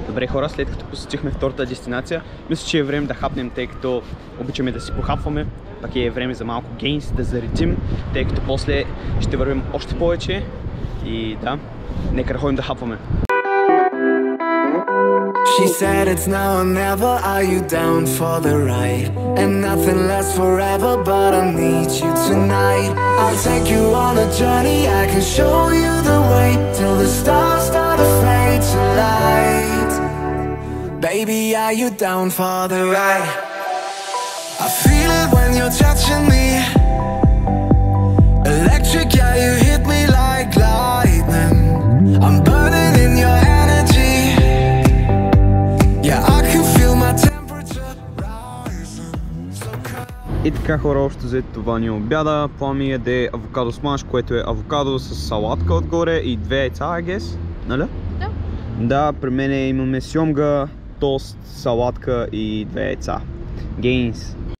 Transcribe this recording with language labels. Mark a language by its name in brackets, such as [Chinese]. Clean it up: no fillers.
[Bulgarian] Хора, след като посетихме втората дестинация, мисля, че е време да хапнем, тъй като обичаме да си похапваме, пък е време за малко гейнс, да заредим, тъй като после ще вървим още повече и да, нека да ходим да хапваме. [English] She said it's now or never, are you down for the ride? And nothing lasts forever, but I need you tonight. I'll take you on a journey, I can show you the way, till the stars start to fade to light. Baby, are you down for the ride? I feel it when you're touching me. Electric, yeah, you hit me like lightning. I'm burning in your energy. Yeah, I can feel my temperature rising. So cold. [Bulgarian] И така, хора, общо взето това ни обяда. План ми е да е авокадо смаш, което е авокадо с салатка отгоре и две яйца, [English] I guess. [Bulgarian] Нали? Да. Да, при мен имаме сьомга, тост, салатка и две яйца. Гейнс.